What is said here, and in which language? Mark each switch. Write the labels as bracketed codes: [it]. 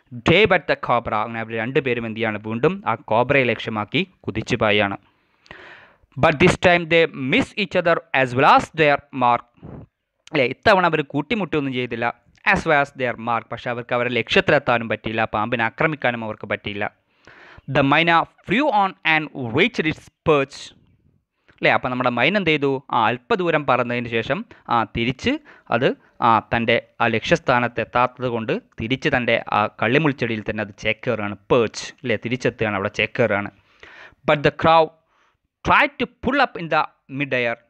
[en] day but the cobra, [ml] അങ്ങനെ അവർ രണ്ടുപേരും എന്ത് ചെയ്യാണ് വീണ്ടും ആ കോബ്രയെ ലക്ഷ്യമാക്കി കുതിച്ചു പായാണ്. [en] but this time they miss each other as well as their mark [ml] അല്ലേ, ഇത്തവണ അവർ കൂട്ടിമുട്ടിയൊന്നും ചെയ്തില്ല. [en] as well as their mark, [ml] പക്ഷേ അവർക്ക് അവരുടെ ലക്ഷ്യത്തിലെത്താനും പറ്റിയില്ല, പാമ്പിനെ ആക്രമിക്കാനും അവർക്ക് പറ്റിയില്ല. [en] The myna flew on and reached its perch. [ml] അല്ലേ, അപ്പോൾ നമ്മുടെ മൈന എന്ത് ചെയ്തു, ആ അല്പദൂരം പറന്നതിന് ശേഷം ആ തിരിച്ച് അത് ആ തൻ്റെ ആ ലക്ഷ്യസ്ഥാനത്ത് എത്താത്തത് കൊണ്ട് തിരിച്ച് തൻ്റെ ആ കള്ളിമുൾച്ചെടിയിൽ തന്നെ അത് ചേക്കേറുകയാണ്. പേർച്ച് അല്ലേ, തിരിച്ചെത്തുകയാണ്, അവിടെ ചേക്കേറുകയാണ്. [en] But the crow try to pull up in the mid air.